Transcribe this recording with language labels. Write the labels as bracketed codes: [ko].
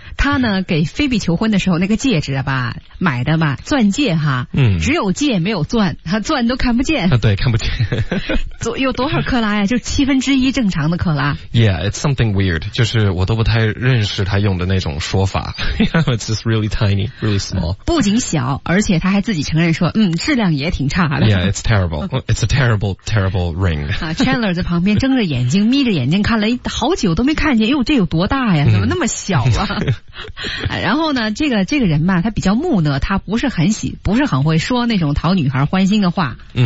[zh] 他呢给菲比求婚的时候那个戒指吧买的吧钻戒哈、只有戒没有钻他钻都看不见、对看不见有多少克拉呀就七分之一正常的克拉 [en] yeah it's something weird [zh] 就是我都不太认识他用的那种说法 [en] it's just really tiny really small [zh] 不仅小而且他还自己承认说质量也挺差的 [en] yeah it's terrible it's a terrible terrible ring [zh] Chandler 在旁边睁着眼睛眯着眼睛看了好久都没看见哟这有多大呀怎么那么小啊然后呢这个人吧他比较木讷他不是很会说那种讨女孩欢心的话